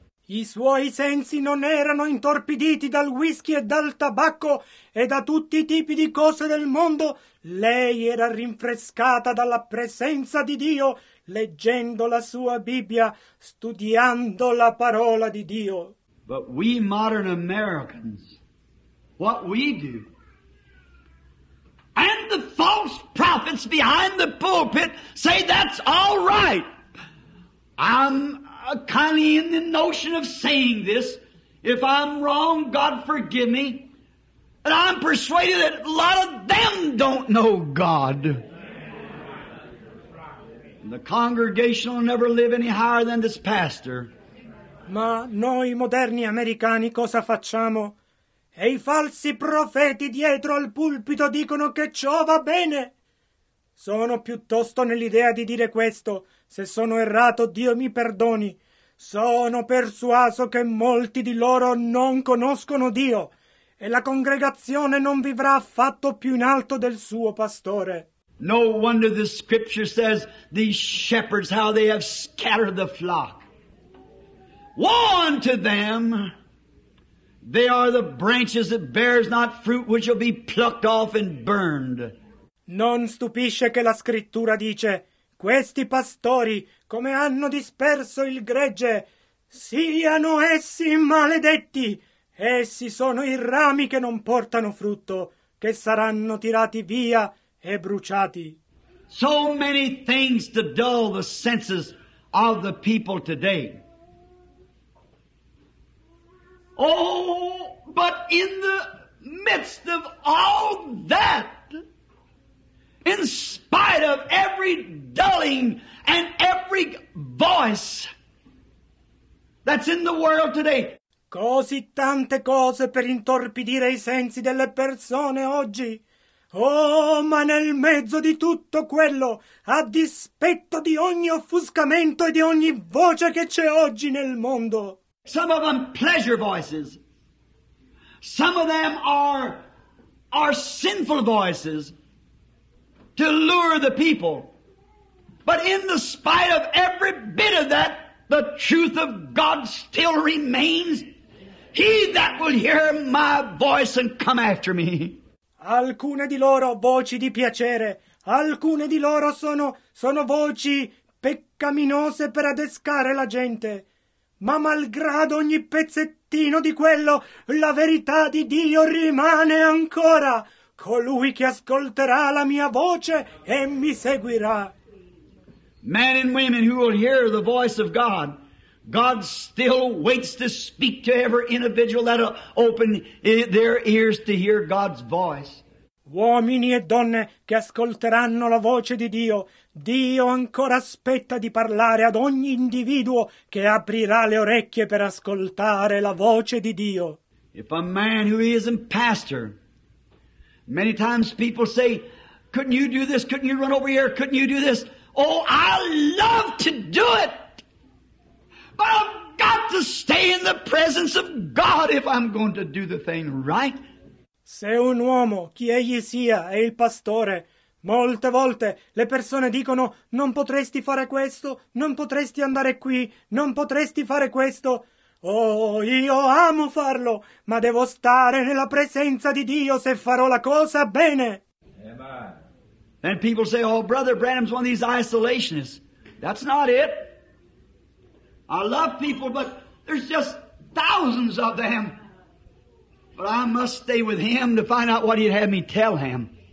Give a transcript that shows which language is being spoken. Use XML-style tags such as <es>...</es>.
<it>I suoi sensi non erano intorpiditi dal whisky e dal tabacco e da tutti i tipi di cose del mondo. Lei era rinfrescata dalla presenza di Dio, leggendo la sua Bibbia, studiando la parola di Dio.</it> <en>But we modern Americans, what we do, and the false prophets behind the pulpit say that's all right. I'm kind of in the notion of saying this. If I'm wrong, God forgive me. And I'm persuaded that a lot of them don't know God. And the congregation will never live any higher than this pastor.</en> <it>Ma noi moderni americani cosa facciamo? E i falsi profeti dietro al pulpito dicono che ciò va bene. Sono piuttosto nell'idea di dire questo. Se sono errato, Dio mi perdoni. Sono persuaso che molti di loro non conoscono Dio e la congregazione non vivrà affatto più in alto del suo pastore.</it> <en>No wonder the scripture says these shepherds, how they have scattered the flock. Woe unto them! They are the branches that bears not fruit, which shall be plucked off and burned.</en> <it>Non stupisce che la scrittura dice: questi pastori, come hanno disperso il gregge, siano essi maledetti. Essi sono i rami che non portano frutto, che saranno tirati via e bruciati.</it> <en>So many things to dull the senses of the people today. Oh, but in the midst of all that, in spite of every dulling and every voice that's in the world today.</en> <it>Così tante cose per intorpidire i sensi delle persone oggi. Oh, ma nel mezzo di tutto quello, a dispetto di ogni offuscamento e di ogni voce che c'è oggi nel mondo.</it> <en>Some of them pleasure voices. Some of them are sinful voices to lure the people. But in the spite of every bit of that, the truth of God still remains. He that will hear my voice and come after me.</en> <it>Alcune di loro voci di piacere, alcune di loro sono voci peccaminose per adescare la gente. Ma malgrado ogni pezzettino di quello, la verità di Dio rimane ancora. Colui che ascolterà la mia voce e mi seguirà.</it> <en>Men and women who will hear the voice of God, God still waits to speak to every individual that will open their ears to hear God's voice.</en> <it>Uomini e donne che ascolteranno la voce di Dio, Dio ancora aspetta di parlare ad ogni individuo che aprirà le orecchie per ascoltare la voce di Dio.</it> <en>If a man who isn't pastor, many times people say, couldn't you do this? Couldn't you run over here? Couldn't you do this? Oh, I love to do it! But I've got to stay in the presence of God if I'm going to do the thing right.</en> <it>Se un uomo, chi egli sia, è il pastore, molte volte le persone dicono non potresti fare questo, non potresti andare qui, non potresti fare questo. Oh, io amo farlo, ma devo stare nella presenza di Dio se farò la cosa bene.</it> <en>Amen. And people say, oh, Brother Branham's one of these isolationists. That's not it. I love people, but there's just thousands of them. But I must stay with him to find out what he'd have me tell him.</en>